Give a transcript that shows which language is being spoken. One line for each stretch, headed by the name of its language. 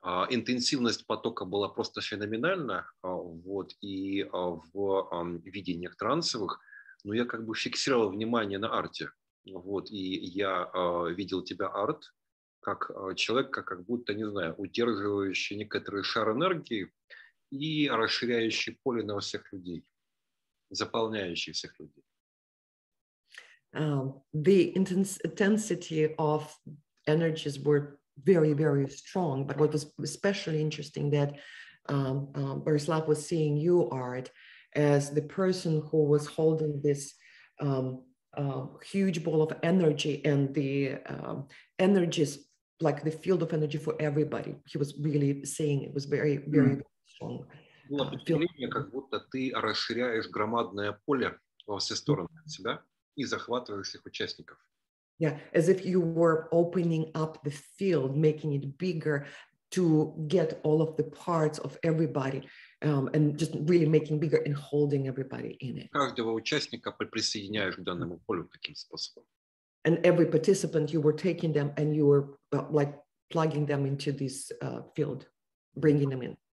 Russian: Интенсивность потока была просто феноменальна, вот, и в видениях трансовых, ну, я как бы фиксировал внимание на Арте, вот, и я видел тебя, Арт, как человека, как будто, не знаю, удерживающий некоторый шар энергии и расширяющий поле на всех людей, заполняющий всех людей.
English: The intensity of energies were very, very strong. But what was especially interesting that Borislav was seeing you, Art, as the person who was holding this huge ball of energy and the energies, like the field of energy for everybody. He was really seeing it was very, very, very strong.
Russian: Было впечатление, как будто ты расширяешь громадное поле во все стороны от себя. И захватывающих участников.
English: Yeah, as if you were opening up the field, making it bigger to get all of the parts of everybody and just really making bigger and holding everybody in it.
Russian: Каждого участника присоединяешь к данному полю таким способом.
English: And every participant, you were taking them and you were like plugging them into this field, bringing them in.